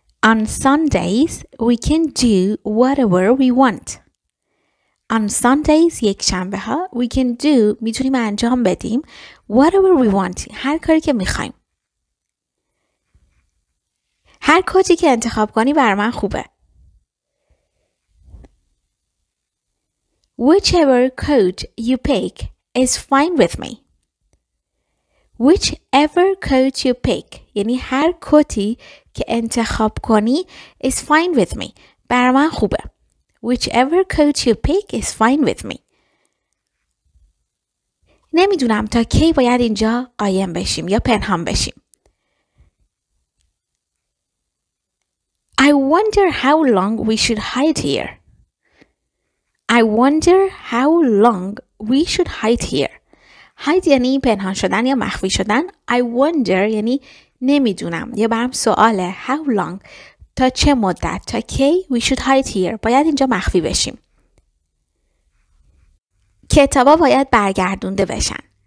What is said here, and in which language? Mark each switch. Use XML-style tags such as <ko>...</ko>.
<en>On Sundays we can do whatever we want. On Sundays,</en> <fa>یک شنبه ها,</fa> <en>we can do,</en> <fa>میتونیم انجام بدیم,</fa> <en>whatever we want,</en> <fa>هر کاری که میخوایم. هر کاری که انتخاب کنی بر من خوبه.</fa> <en>Whichever coach you pick is fine with me. Whichever coach you pick,</en> <fa>یعنی هر کتی که انتخاب کنی</fa> <en>is fine with me.</en> <fa>بر من خوبه.</fa> <en>Whichever coach you pick is fine with me.</en> <fa>نمیدونم تا کی باید اینجا قایم بشیم یا پنهان بشیم.</fa> <en>I wonder how long we should hide here. I wonder how long we should hide here. Hide</en> <fa>یعنی پنهان شدن یا مخفی شدن.</fa> <en>I wonder</en> <fa>یعنی نمیدونم. یا برام سواله.</fa> <en>How long?</en> <fa>تا چه مدت؟ تا کی؟</fa> <en>We should hide here.</en> <fa>باید اینجا مخفی بشیم. کتابا باید برگردونده بشن.</fa>